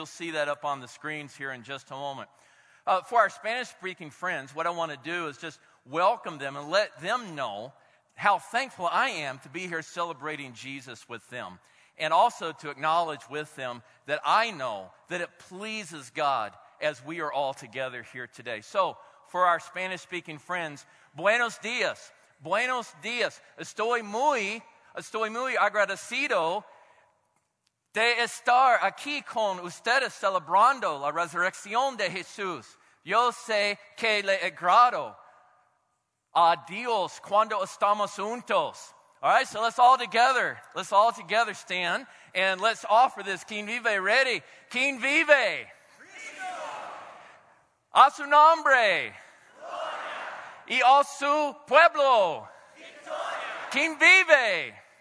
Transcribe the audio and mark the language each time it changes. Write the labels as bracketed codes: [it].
[en] You'll see that up on the screens here in just a moment. For our Spanish-speaking friends, what I want to do is just welcome them and let them know how thankful I am to be here celebrating Jesus with them. And also to acknowledge with them that I know that it pleases God as we are all together here today. So, for our Spanish-speaking friends, buenos dias. [es] Buenos dias. Estoy muy agradecido de estar aquí con ustedes celebrando la resurrección de Jesús. Yo sé que le agrado a Dios cuando estamos juntos. [en] All right, so let's all together stand, and let's offer this. [es] ¿Quién vive? Ready? ¿Quién vive? Cristo. A su nombre. Gloria. Y a su pueblo. Victoria. ¿Quién vive?